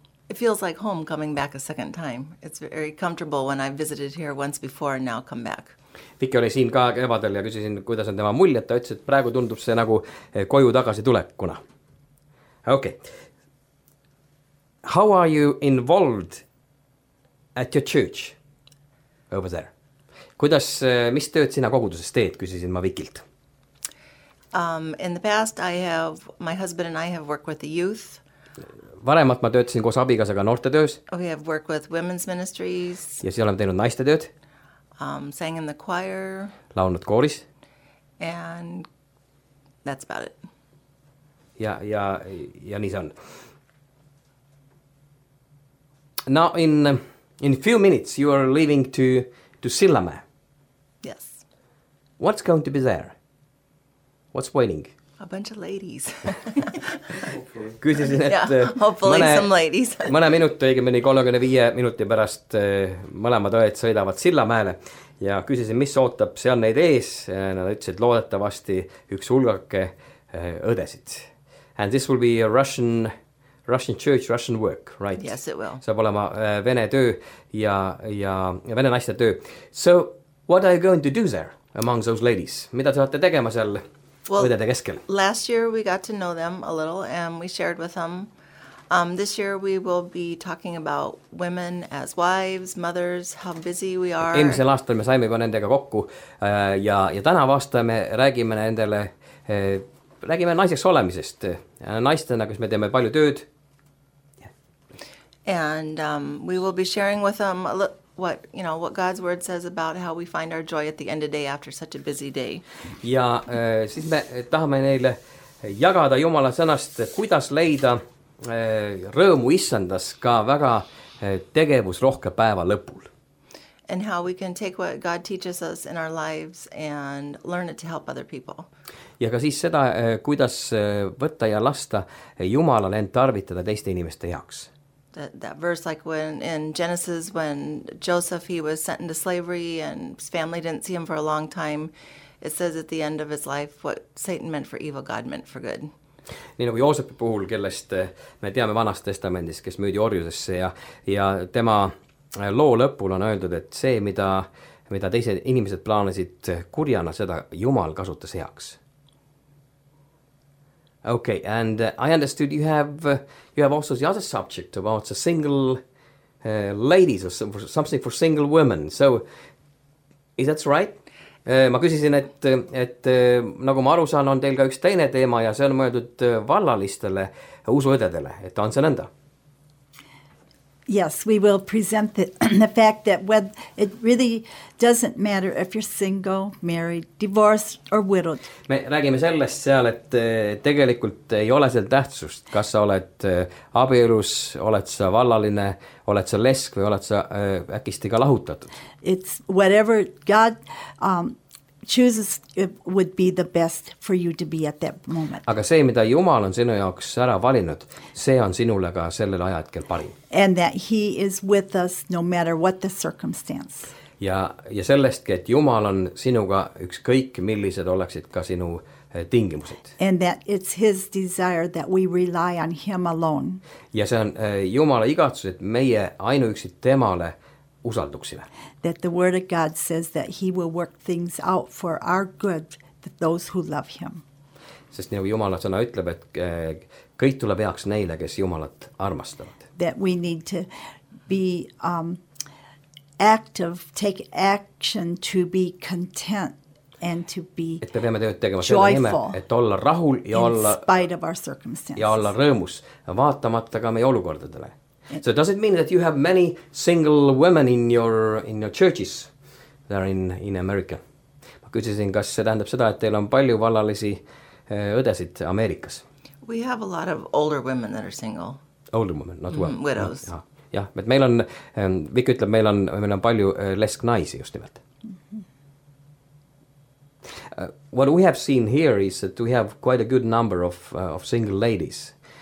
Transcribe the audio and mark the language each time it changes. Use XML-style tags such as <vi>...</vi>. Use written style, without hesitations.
<en>It feels like home coming back a second time. It's very comfortable when I visited here once before and now come back.</en> <et>Vicky oli siin ka kevadel ja küsisin, kuidas on tema mulje. Ta ütles, et praegu tundub see nagu koju tagasi tulekuna. Okay.</et> <en>How are you involved at your church over there?</en> <et>Kuidas, mis tööd sina koguduses teed, küsisin ma Vickilt.</et> <en>In the past, my husband and I have worked with the youth.</en> <et>Varemalt ma töötasin koos abikasega noorte töös.</et> <en>We have worked with women's ministries.</en> <et>Ja siis oleme teinud naiste tööd.</et> <en>Sang in the choir.</en> <et>Laulnud kooris.</et> <en>And that's about it.</en> <et>Ja nii see on.</et> <en>Now in few minutes you are leaving to Sillamäe. Yes. What's going to be there? What's waiting? A bunch of ladies.</en> <et>Küsisin, et</et> <en>yeah, hopefully</en> <et>mõne,</et> <en>some ladies.</en> <et>mõne minuti, õigemini 35 minuti pärast mõlemad õed sõidavad Sillamäele ja küsisin, mis ootab seal neid ees. Nad ütlesid loodetavasti üks hulgake õdesid.</et> <en>And this will be a Russian church, Russian work, right? Yes, it will.</en> <et>Saab olema vene töö ja vene naiste töö.</et> <en>So, what are you going to do there among those ladies?</en> <et>Mida te olete tegema seal õdede keskel?</et> <en>Well, last year we got to know them a little and we shared with them. This year we will be talking about women as wives, mothers, how busy we are.</en> <et>Eelmisel aastal me saime juba nendega kokku ja täna vasta me räägime nendele räägime naiseks olemisest. Naistena, kus me teeme palju tööd.</et> <en>Yeah. And we will be sharing with them what God's word says about how we find our joy at the end of day after such a busy day.</en> <et>Ja siis me tahame neile jagada Jumala sõnast, kuidas leida rõõmu issandas ka väga tegevus rohke päeva lõpul.</et> <en>And how we can take what God teaches us in our lives and learn it to help other people.</en> <et>Ja ka siis seda, kuidas võtta ja lasta Jumalal end tarvitada teiste inimeste heaks.</et> <en>That verse like when in Genesis when Joseph he was sent into slavery and his family didn't see him for a long time, it says at the end of his life what Satan meant for evil, God meant for good.</en> <et>Nii nagu Joosepi puhul, kellest me teame vanast testamendist, kes müüdi orjusesse ja tema loo lõpul on öeldud, et see, mida teised inimesed plaanesid kurjana, seda Jumal kasutas heaks.</et> <en>Okay, and I understood you have also the other subject about the single ladies or something for single women. So, is that right?</en> <et>Ma küsisin, et nagu ma aru saan, on teil ka üks teine teema ja see on mõeldud vallalistele usuõdedele, et on see nõnda.</et> <en>Yes, we will present the fact that it really doesn't matter if you're single, married, divorced or widowed.</en> <et>Me räägime sellest seal, et tegelikult ei ole seal tähtsust, kas sa oled abielus, oled sa vallaline, oled sa lesk või oled sa äkisti ka lahutatud.</et> <en>It's whatever God chooses it would be the best for you to be at that moment.</en> <et>Aga see, mida Jumal on sinu jaoks ära valinud, see on sinule ka sellel ajahetkel parim.</et> <en>And that he is with us no matter what the circumstance.</en> <et>Ja sellestki, et Jumal on sinuga üks kõik, millised oleksid ka sinu tingimused.</et> <en>And that it's his desire that we rely on him alone.</en> <et>Ja see on Jumala igatsus, et meie ainuüksid temale usalduksime.</et> <en>That the word of God says that he will work things out for our good that those who love him.</en> <et>Sest nii nagu Jumala sõna ütleb, et kõik tuleb heaks neile, kes Jumalat armastavad.</et> <en>That we need to be active, take action to be content and to be joyful.</en> <et>Et me peame tööd tegema selle nime, et olla rahul ja olla</et> <en>in spite of our circumstances.</en> <et>Ja olla rõõmus, vaatamata ka meie olukordadele.</et> <en>So does it mean that you have many single women in your churches there in America?</en> <et>Ma küsisin, kas see tähendab seda, et teil on palju vallalisi õdesid Ameerikas.</et> <en>We have a lot of older women that are single. Older women, not well. Widows.</en> <et>Ja, ja. Ja, meil on, Vik ütleb, meil on palju lesk naisi just nimelt.</et> <en>What we have seen here is that we have quite a good number of single ladies.</en>